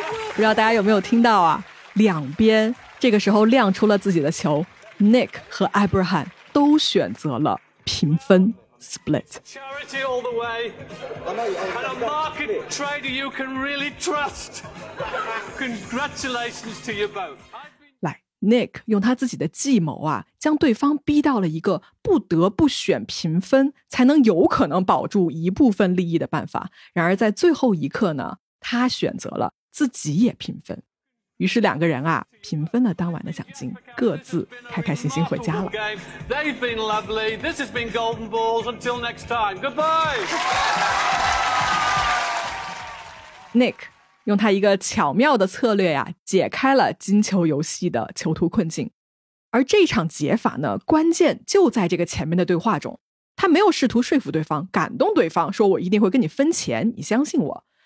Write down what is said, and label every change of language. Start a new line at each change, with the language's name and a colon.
Chinese: 不知道大家有没有听到啊，两边这个时候亮出了自己的球， Nick 和 Abraham 都选择了平分 split.
English: Charity all the way and a market trader you can really trust. Congratulations to you both.
Chinese: 来， Nick 用他自己的计谋啊，将对方逼到了一个不得不选平分才能有可能保住一部分利益的办法，然而在最后一刻呢，他选择了自己也平分，于是两个人啊平分了当晚的奖金，各自开开心心回家了。
English: They've been lovely. This has been Golden Balls. Until next time, goodbye.
Chinese: Nick 用他一个巧妙的策略啊，解开了金球游戏的囚徒困境。而这场解法呢，关键就在这个前面的对话中。他没有试图说服对方，感动对方，说我一定会跟你分钱，你相信我。